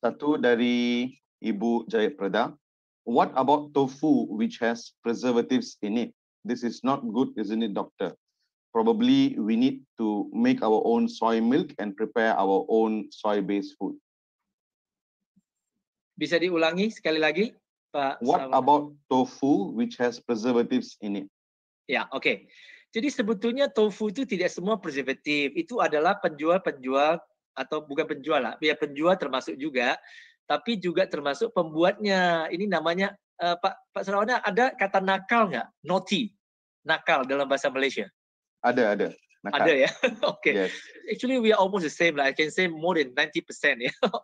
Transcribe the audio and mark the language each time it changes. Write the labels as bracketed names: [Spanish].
[Indonesian] Satu dari Ibu Jayaprada. [English] What about tofu which has preservatives in it? This is not good, isn't it, doctor? probably we need to make our own soy milk and prepare our own soy-based food. [Indonesian] Bisa diulangi sekali lagi, Pak? [English] What about tofu which has preservatives in it? [Indonesian] Ya, oke. Jadi sebetulnya tofu itu tidak semua preservatif. Itu adalah penjual-penjual, atau bukan penjual lah, ya penjual termasuk juga, tapi juga termasuk pembuatnya. Ini namanya, Pak Sarawana, ada kata nakal nggak? Naughty. Nakal dalam bahasa Malaysia. Ada. Nakal. Ada ya? Oke. Okay. Yes. [English] Actually, we are almost the same lah. I can say more than 90% ya.